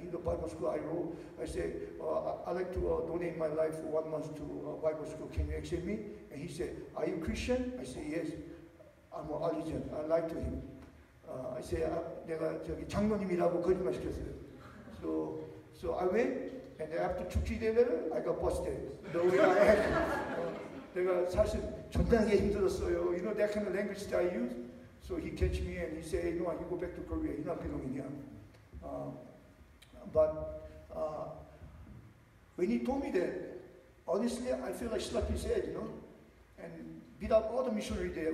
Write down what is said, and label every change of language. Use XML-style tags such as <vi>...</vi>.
<en>In the Bible school, I wrote, I said, I'd like to donate my life for 1 month to Bible school, can you accept me? And he said, are you Christian? I said, yes, I'm an allegiant, I lied to him. I said,</en> <ko>내가 저기 장로님이라고 거짓말시켰어요.</ko> <en>So I went. And after 2-3 days later, I got busted. The way I had.</en> <ko>내가 사실 존나게 힘들었어요.</ko> <en>You know that kind of language that I use? So he catch me and he say, no, you go back to Korea. You're not belonging here. But when he told me that, honestly, I feel like slap his head, you know? And beat up all the missionary there.</en>